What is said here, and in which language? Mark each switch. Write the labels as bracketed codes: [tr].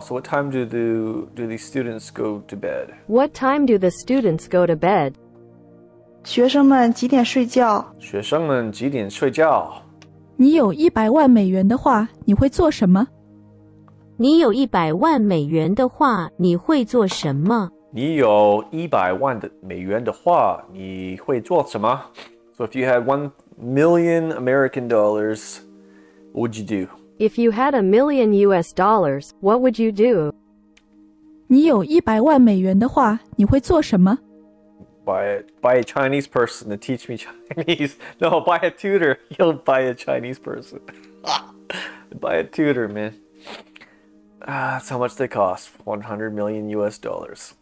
[en] So what time do the students go to bed? What time do the students go to bed? [zh] 学生们几点睡觉？学生们几点睡觉？你有一百万美元的话，你会做什么？你有一百万美元的话，你会做什么？你有一百万的美元的话，你会做什么？ [en] So if you had $1 million American dollars, what would you do? If you had $1 million US dollars, what would you do? [zh] 你有一百万美元的话，你会做什么？ [en] Buy a Chinese person to teach me Chinese. No, buy a tutor. You'll buy a Chinese person. Buy a tutor, man. That's how much they cost. $100 million US dollars.